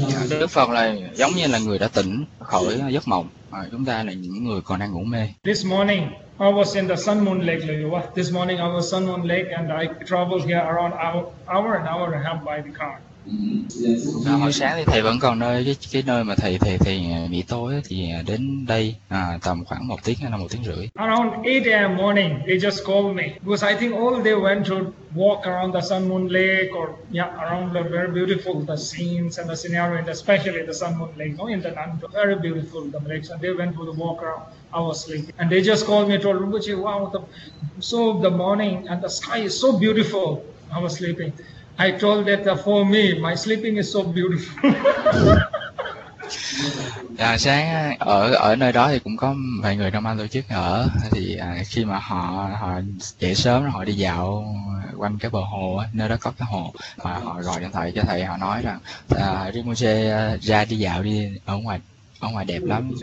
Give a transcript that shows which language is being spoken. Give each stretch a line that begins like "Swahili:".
Vietnamese: Đức Phật là giống như là người đã tỉnh khỏi giấc mộng, mà chúng ta là những người còn đang ngủ mê.
English: This morning I was in the Sun Moon Lake, Lyuwa. This morning I was Sun Moon Lake and I traveled here around hour and hour and a half by the car.
Vietnamese: Hồi sáng thì thầy vẫn còn nơi cái nơi mà thầy nghỉ tối thì đến đây tầm khoảng 1 tiếng hay là 1 tiếng rưỡi.
English: Around 8 a.m. morning, they just called me because I think all they went to walk around the Sun Moon Lake or around the very beautiful the scenes and the scenario, and especially the Sun Moon Lake, in the Nandu, very beautiful the lake, and they went for the walk around. I was sleeping and they just called me, told Rinpoche, wow, the morning and the sky is so beautiful. I was sleeping. I told that for me, my sleeping is so beautiful.
Vietnamese: Sáng ở nơi đó thì cũng có vài người trong ban tổ chức ở, thì khi mà họ dậy sớm, họ đi dạo quanh cái bờ hồ, nơi đó có cái hồ, và họ gọi điện thoại cho thầy, họ nói rằng Rinpoche ra đi dạo đi, ở ngoài đẹp lắm.